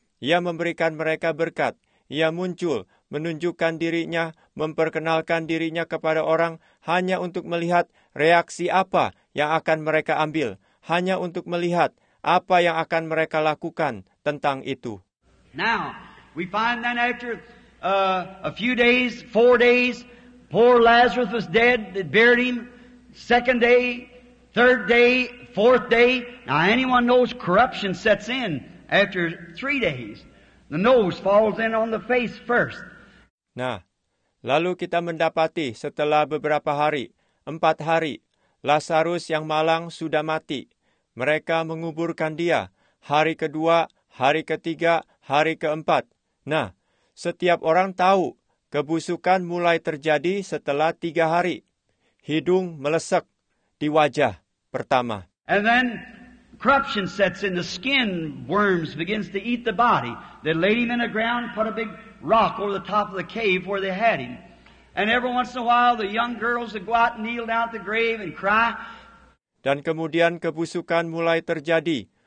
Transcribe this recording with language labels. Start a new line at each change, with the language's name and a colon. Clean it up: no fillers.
Indonesian: Ia memberikan mereka berkat. Ia muncul, menunjukkan dirinya, memperkenalkan dirinya kepada orang hanya untuk melihat reaksi apa yang akan mereka ambil. Hanya untuk melihat apa yang akan mereka lakukan tentang itu.
English: Now, we find that after a few days, 4 days, poor Lazarus was dead. They buried him. Second day, third day, fourth day. Now anyone knows corruption sets in after 3 days. The nose falls in on the face first.
Indonesian: Nah, lalu kita mendapati setelah beberapa hari, 4 hari, Lazarus yang malang sudah mati. Mereka menguburkan dia hari kedua, hari ketiga, hari keempat. Nah, setiap orang tahu kebusukan mulai terjadi setelah 3 hari. Hidung melesek di wajah pertama.
English: And then corruption sets in, the skin worms begins to eat the body. They laid him in the ground, put a big rock over the top of the cave where they had him. And every once in a while the young girls would go out and kneel down at the grave and cry.
Indonesian: Dan kemudian kebusukan mulai terjadi.